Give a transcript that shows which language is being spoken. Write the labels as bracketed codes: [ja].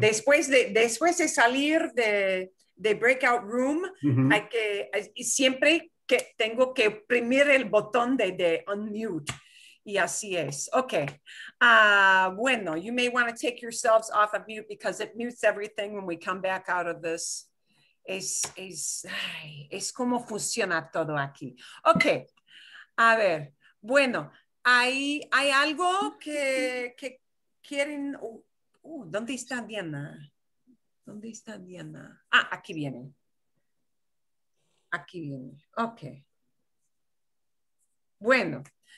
[es] Después de salir de breakout room, mm-hmm. hay que siempre que tengo que oprimir el botón de unmute. Y así es. Okay. [en] Bueno, you may want to take yourselves off of mute because it mutes everything when we come back out of this. [es] Es como funciona todo aquí. Ok, a ver, bueno, ¿hay algo que quieren? ¿Dónde está Diana? ¿Dónde está Diana? Ah, aquí viene, ok.